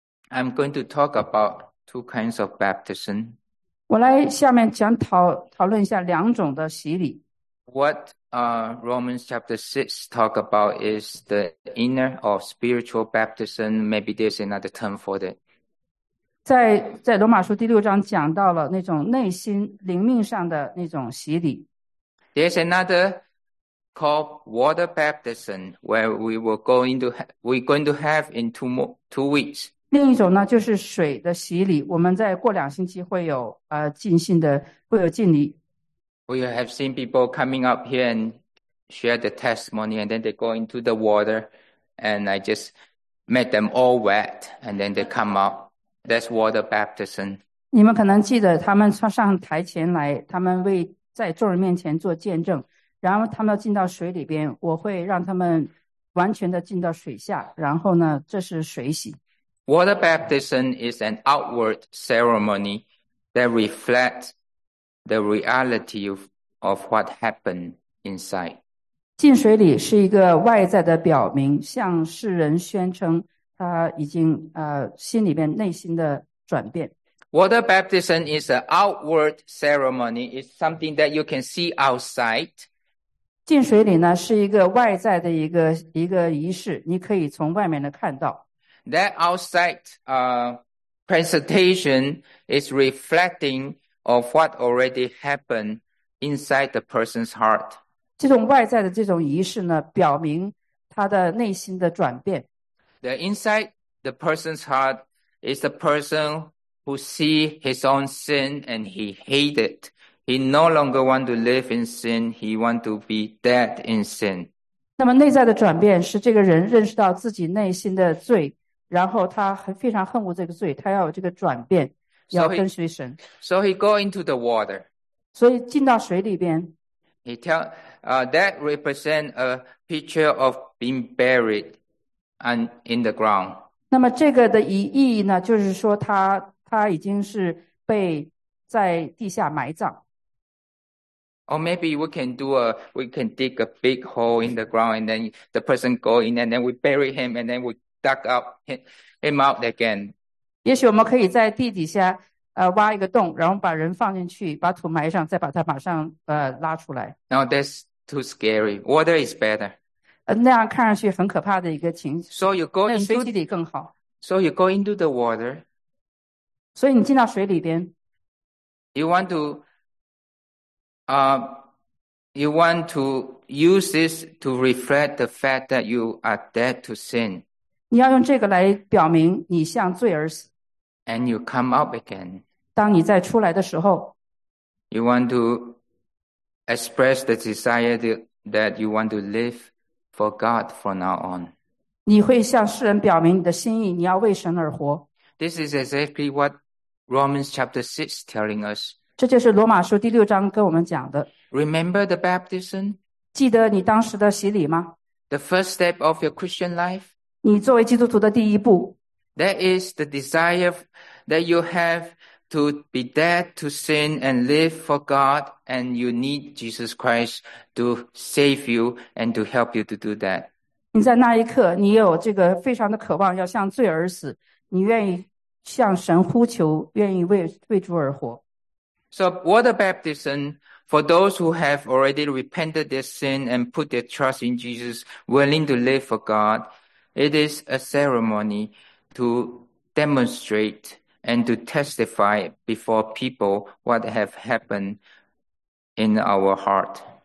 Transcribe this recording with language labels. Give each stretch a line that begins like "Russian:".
English: I'm going to talk about two kinds of baptism.
Chinese: 我来下面讲讨论一下两种的洗礼。
English: What Romans chapter 6 talk about is the inner or spiritual baptism. Maybe there's another term for that.
Chinese: 在罗马书第六章讲到了那种内心灵命上的那种洗礼。
English: There's another called water baptism where we're going to have in two weeks.
Chinese: 另一种呢就是水的洗礼，我们在过两星期会有浸信的，会有浸礼。
English: We have seen people coming up here and share the testimony and then they go into the water and I just make them all wet and then they come up. That's water baptism.
Chinese: 你们可能记得他们上台前来，他们为在众人面前做见证，然后他们要进到水里边，我会让他们完全的进到水下，然后呢，这是水洗。
English: Water baptism is an outward ceremony that reflects the reality of what happened inside.
Chinese: 进水礼是一个外在的表明，向世人宣称他已经心里面内心的转变。
English: Water baptism is an outward ceremony. It's something that you can see outside.
Chinese: 进水礼呢是一个外在的一个仪式，你可以从外面的看到。
English: That outside presentation is reflecting of what already happened inside the person's heart.
Chinese: 这种外在的这种仪式呢，表明他的内心的转变。
English: The inside the person's heart is the person who see his own sin and he hate it. He no longer want to live in sin. He want to be dead in sin.
Chinese: 那么内在的转变是这个人认识到自己内心的罪，然后他非常恨恶这个罪，他要有这个转变，要跟随神。
English: So he go into the water.
Chinese: 所以进到水里边。
English: He tell, that represent a picture of being buried and in the ground.
Chinese: 那么这个的意义呢，就是说他已经是被在地下埋葬。
English: Or maybe we can dig a big hole in the ground and then the person go in and then we bury him and then we dug up him out again.
Chinese: 也许我们可以在地底下挖一个洞，然后把人放进去，把土埋上，再把它马上拉出来。
English: No, that's too scary. Water is better.
Chinese: 那样看上去很可怕的一个情形。
English: So you go into
Chinese: 水里更好。
English: So you go into the water.
Chinese: 所以你进到水里边。
English: You want to use this to reflect the fact that you are dead to sin.
Chinese: 你要用这个来表明你向罪而死。
English: And you come up again.
Chinese: 当你再出来的时候。
English: You want to express the desire that you want to live for God from now on.
Chinese: 你会向世人表明你的心意，你要为神而活。
English: This is exactly what Romans chapter 6 telling us.
Chinese: 这就是罗马书第六章跟我们讲的。
English: Remember the baptism?
Chinese: 记得你当时的洗礼吗？
English: The first step of your Christian life?
Chinese: 你作为基督徒的第一步。
English: That is the desire that you have to be dead to sin and live for God, and you need Jesus Christ to save you and to help you to do that.
Chinese: 你在那一刻，你有这个非常的渴望要向罪而死，你愿意向神呼求，愿意为主而活。
English: So water baptism for those who have already repented their sin and put their trust in Jesus, willing to live for God, it is a ceremony. To demonstrate and to testify before people what have happened in our heart.